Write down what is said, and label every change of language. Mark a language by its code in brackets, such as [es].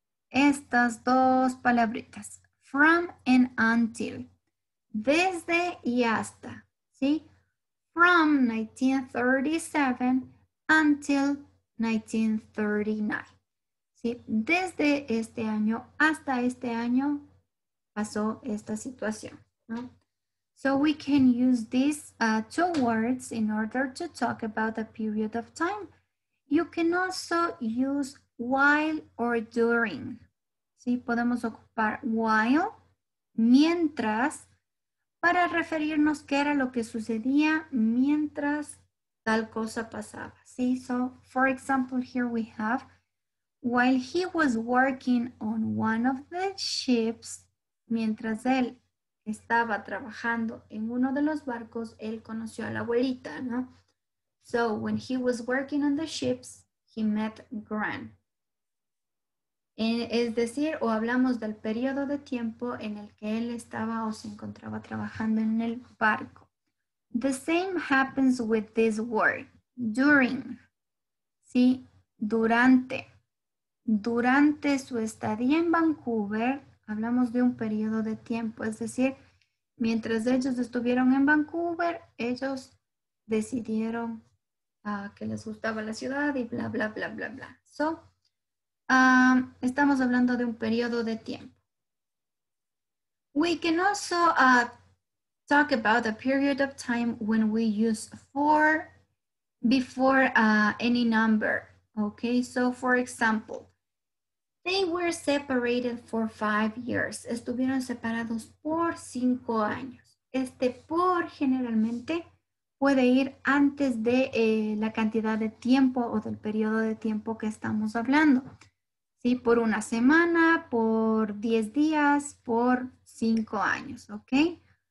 [es] estas dos palabritas, [en] from and until, [es] desde y hasta, ¿sí? [en] From 1937 until 1939, ¿sí? [es] Desde este año hasta este año pasó esta situación, ¿no? [en] So we can use these two words in order to talk about a period of time. You can also use while or during. ¿Sí? [es] Podemos ocupar while, mientras, para referirnos qué era lo que sucedía mientras tal cosa pasaba. [en] ¿Sí? So, for example, here we have, while he was working on one of the ships, [es] mientras él estaba trabajando en uno de los barcos, él conoció a la abuelita, [en] ¿no? So, when he was working on the ships, he met Gran. [es] Es decir, o hablamos del periodo de tiempo en el que él estaba o se encontraba trabajando en el barco. [en] The same happens with this word, during. ¿Sí? Durante. [es] Durante su estadía en Vancouver, hablamos de un periodo de tiempo. Es decir, mientras ellos estuvieron en Vancouver, ellos decidieron que les gustaba la ciudad y bla, bla, bla, bla, bla. So, estamos hablando de un periodo de tiempo. [en] We can also talk about a period of time when we use for before any number. Okay, so for example, they were separated for 5 years. [es] Estuvieron separados por 5 años. Este por generalmente puede ir antes de la cantidad de tiempo o del periodo de tiempo que estamos hablando. ¿Sí? Por una semana, por 10 días, por 5 años, ¿ok?